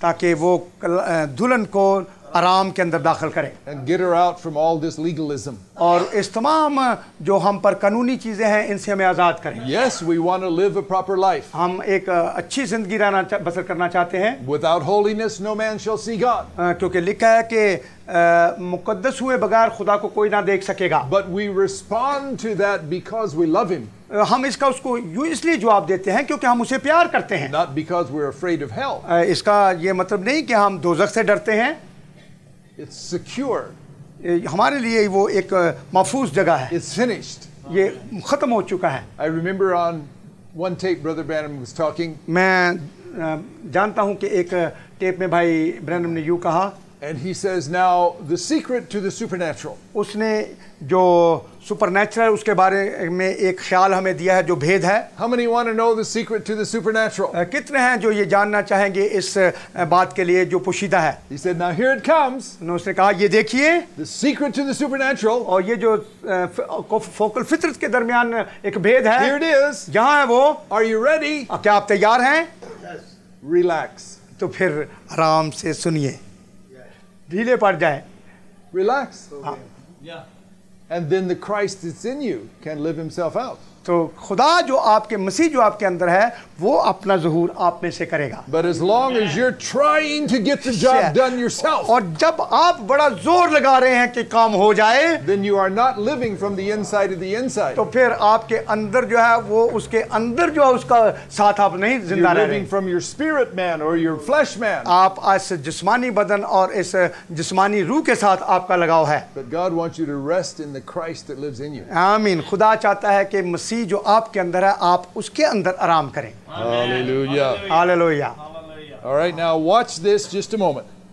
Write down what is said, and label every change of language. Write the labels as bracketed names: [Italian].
[Hindi] ताकि वो दुल्हन को आराम के अंदर दाखिल करें. [English] And get her out from all this legalism. [Hindi] और इस तमाम जो हम पर कानूनी चीजें हैं इनसे हमें आजाद करें. [English] Yes, we want to live a proper life. [Hindi] हम एक अच्छी जिंदगी रहना बसर करना चाहते हैं. [English] Without holiness, no man shall see God. [Hindi] क्योंकि लिखा है कि मुकद्दस हुए बगैर खुदा को कोई ना देख सकेगा. [English] But we respond to that because we love him. [Hindi] हम इसका उसको यूं इसलिए जवाब देते हैं क्योंकि हम उसे प्यार करते हैं. [English] Not because we're afraid of hell. [Hindi] इसका ये मतलब नहीं कि हम दोजख से डरते हैं. [English] It's secure. [Hindi] हमारे लिए वो एक महफूज जगह है. [English] It's finished. [Hindi] ये खत्म हो चुका है. [English] I remember on one tape Brother Branham was talking. [Hindi] मैं जानता हूँ कि एक टेप में भाई ब्रैनम ने यूं कहा. [English] And he says now the secret to the supernatural. [Hindi] उसने जो supernatural उसके बारे में एक ख्याल हमें दिया है जो भेद है. [English] How many want to know the secret to the supernatural? [Hindi] कितने हैं जो ये जानना चाहेंगे इस बात के लिए जो पोशीदा है. [English] He said now here it comes. [Hindi] उसने कहा ये देखिए. [English] The secret to the supernatural. [Hindi] और ये जो focal fitrat के दरमियान एक भेद है. [English] Here it is. [Hindi] यहाँ है वो. [English] Are you ready? [Hindi] क्या आप तैयार हैं? [English] Yes. Relax. [Hindi] तो फिर आराम से सुनिए. ढीले पड़ जाए. [English] Relax. Yeah. And then the Christ that's in you can live himself out. [Hindi] तो खुदा जो आपके मसीह जो आपके अंदर है वो अपना जहूर आप में से करेगा. [English] But as long as you're trying to get the job done yourself. [Hindi] और जब आप बड़ा जोर लगा रहे हैं कि काम हो जाए. [English] Then you are not living from the inside of the inside. [Hindi] तो फिर आपके अंदर जो है वो उसके अंदर जो है उसका साथ आप नहीं जिंदा रहे. [English] You're living from your spirit man or your flesh man. [Hindi] आप इस जिस्मानी बदन और इस जिस्मानी रूह के साथ आपका लगाव है. [English] But God wants you to rest in the Christ that lives in you. [Hindi] आमीन. खुदा चाहता है कि मसीह जो आपके अंदर है आप उसके अंदर आराम करें. Hallelujah. Hallelujah. [English] All right, now watch this just a moment.